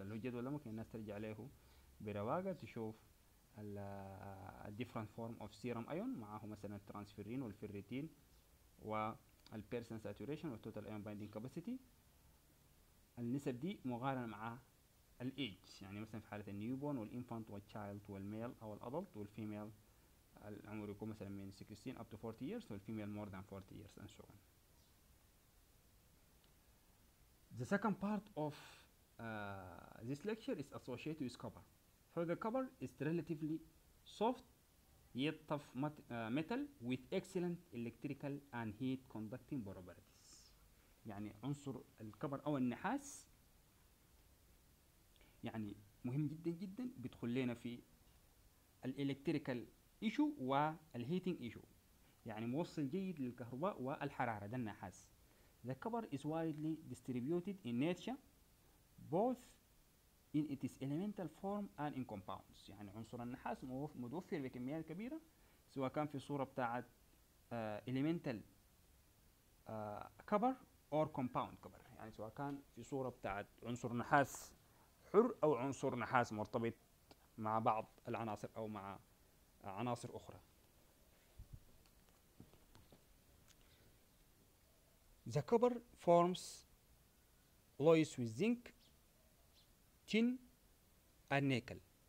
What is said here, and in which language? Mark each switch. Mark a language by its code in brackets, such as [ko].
[ar] لو جد ولا ممكن الناس ترجع عليه برواقه تشوف ال [en] different form of serum ion [ar] معاه مثلا الترانسفيرين والفيريتين والبيرسن ساتوريشن والتوتال ايون بايندينج كاباسيتي. النسب دي مقارنه مع الايج، يعني مثلا في حاله النيو بورن والانفانت والتشايلد والميل او الادلت والفيميل، العمر يكون مثلا من 16 [en] up to 40 years [ar] والفيميل [en] more than 40 years and so on. The second part of this lecture is associated with copper. For the copper is relatively soft yet tough metal with excellent electrical and heat conducting properties. [ar] يعني عنصر الكبر او النحاس يعني مهم جدا جدا، بيدخل لنا في الالكتريكال ايشو والهيتنج ايشو، يعني موصل جيد للكهرباء والحراره ده النحاس. [en] The copper is widely distributed in nature both in its elemental form and in compounds. [ar] يعني عنصر النحاس متوفر بكميات كبيره سواء كان في صوره بتاعه [en] elemental copper or compound copper، [ar] يعني سواء كان في صوره بتاعه عنصر نحاس حر او عنصر نحاس مرتبط مع بعض العناصر او مع عناصر أخرى. [en] The copper forms alloys with zinc, tin, and nickel.